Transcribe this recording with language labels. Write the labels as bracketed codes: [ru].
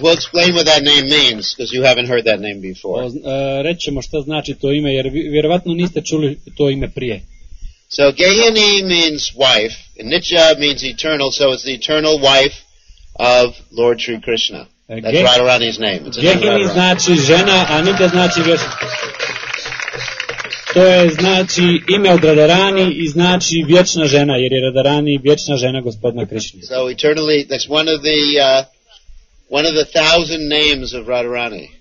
[en] We'll explain what that name means, because you haven't heard that name before. [hr] Rećemo šta znači to ime, jer vjerovatno niste čuli to ime prije. [en] So Gehini means wife, and Nitya means eternal, so it's the eternal wife of Lord Sri Krishna. That's right around his name. Gehini right [hr] znači žena, a Nitya znači vjesnik. To je znači ime od Radharani i znači vječna žena, jer je Radharani vječna žena gospodina Krishna. [en] So eternally, that's one of the thousand names of Radharani.